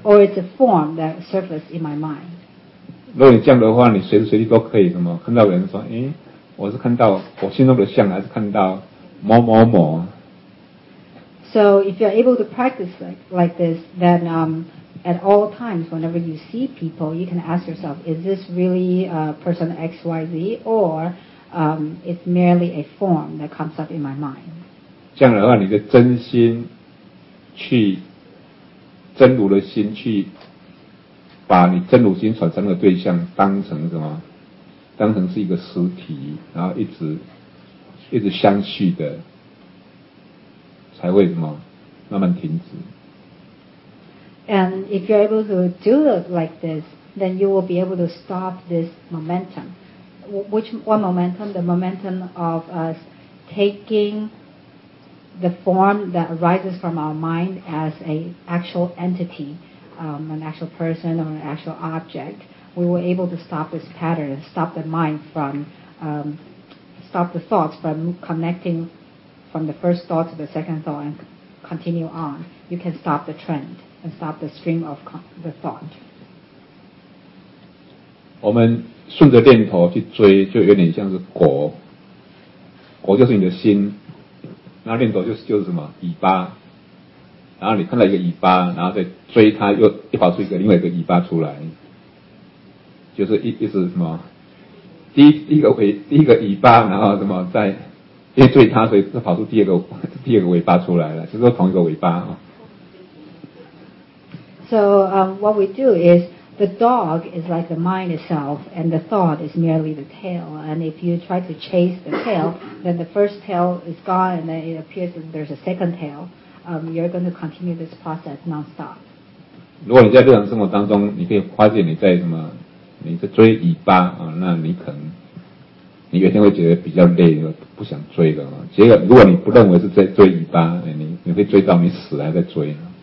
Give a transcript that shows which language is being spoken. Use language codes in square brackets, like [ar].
[en] or it's a form that surfaced in my mind. [zh] 如果你这样的话，你随时随地都可以什么看到人说，诶，我是看到我心中的像，还是看到某某某。 [en] So if you're able to practice like this, then At all times, whenever you see people, you can ask yourself, is this really a person XYZ, or it's merely a form that comes up in my mind? [zh] 这样的话，你的真心去真如的心去把你真如心产生的对象当成什么？当成是一个实体，然后一直相续的，才会什么慢慢停止。 [en] And if you're able to do it like this, then you will be able to stop this momentum. Which one momentum? The momentum of us taking the form that arises from our mind as an actual entity, an actual person or an actual object. We were able to stop this pattern, stop the mind from, stop the thoughts from connecting from the first thought to the second thought and continue on. You can stop the trend. And stop the stream of the thought. [zh] 我们顺着念头去追，就有点像是果。果就是你的心，那念头就是什么尾巴。然后你看到一个尾巴，然后再追它，又跑出一个另外一个尾巴出来，就是一直什么，第一个尾巴，然后什么再因为追它，所以跑出第二个尾巴出来了，就是同一个尾巴啊。 [en] So what we do is the dog is like the mind itself and the thought is merely the tail. And if you try to chase the tail, then the first tail is gone and then it appears that there's a second tail. You're going to continue this process non-stop. [zh] 如果你在日常生活当中，你可以发现你在追尾巴啊，那你可能你有一天会觉得比较累，不想追了。结果如果你不认为是在追尾巴，你会追到你死还在追。